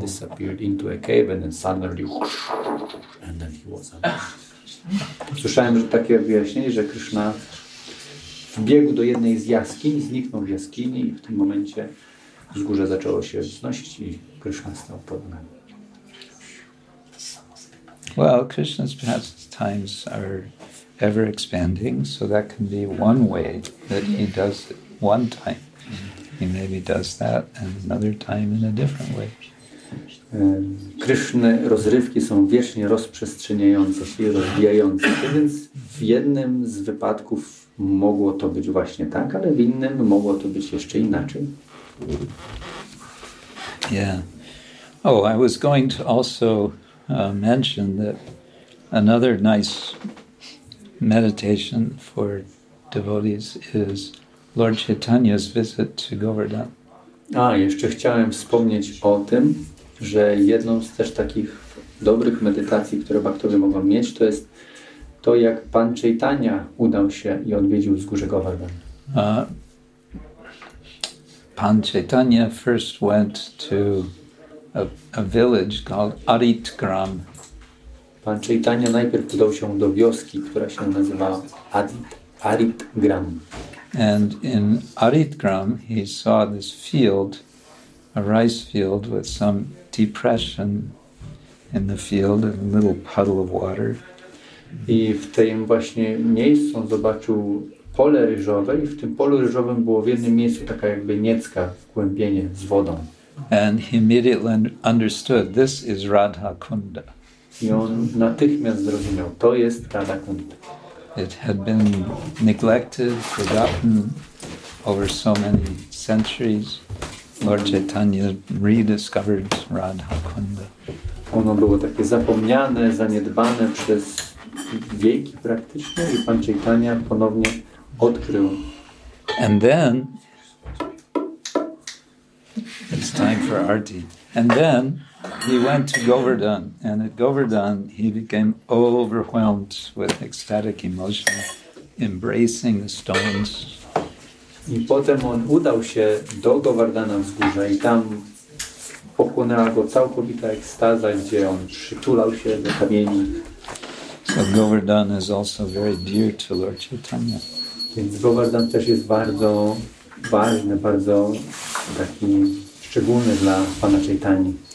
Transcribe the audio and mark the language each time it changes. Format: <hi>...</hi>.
<en>Disappeared into a cave and then suddenly... And then he was...</en> <pl>Słyszałem, że takie wyjaśnienie, że Krishna wbiegł do jednej z jaskiń, zniknął w jaskini i w tym momencie z górze zaczęło się wznosić i Krishna stał pod nami.</pl> <en>Well, Krishna's pastimes are ever expanding, so that can be one way that he does it one time. He maybe does that and another time in a different way.</en> <pl>Krishna rozrywki są wiecznie rozprzestrzeniające się i rozwijające się, więc w jednym z wypadków mogło to być właśnie tak, ale w innym mogło to być jeszcze inaczej.</pl> <en>Yeah. Oh, I was going to also mention that another nice meditation for devotees is Lord Chaitanya's visit to Govardhan.</en> <pl>A, jeszcze chciałem wspomnieć o tym, że jedną z też takich dobrych medytacji, które bhaktowie mogą mieć, to jest to, jak Pan Chaitanya udał się i odwiedził wzgórze Govardhan.</pl> <en>Pan Chaitanya first went to a village called Aritgram.</en> <pl>Pan Chaitanya najpierw udał się do wioski, która się nazywa Aritgram.</pl> <en>And in Aritgram he saw this field, a rice field with some depression in the field and a little puddle of water.</en> <pl>I w tym właśnie miejscu zobaczył pole ryżowe i w tym polu ryżowym było w jednym miejscu taka jakby niecka, wgłębienie z wodą.</pl> <en>And he immediately understood, this is Radha Kunda.</en> <pl>I on natychmiast zrozumiał, to jest Radha Kunda.</pl> <en>It had been neglected, forgotten over so many centuries. Lord Chaitanya rediscovered Radha Kunda.</en> <pl>Ono było takie zapomniane, zaniedbane przez wieki praktycznie i Pan Chaitanya ponownie odkrył.</pl> <en>And then it's time for arti. And then he went to Govardhan, and at Govardhan he became overwhelmed with ecstatic emotion, embracing the stones.</en> <pl>I potem on udał się do Govardhana wzgórza i tam pochłonęła go całkowita ekstaza, gdzie on przytulał się do kamieni.</pl> <en>But Govardhan is also very dear to Lord Chaitanya.</en> <pl>Więc Govardhan też jest bardzo ważny, bardzo taki szczególny dla Pana Chaitanyi.</pl>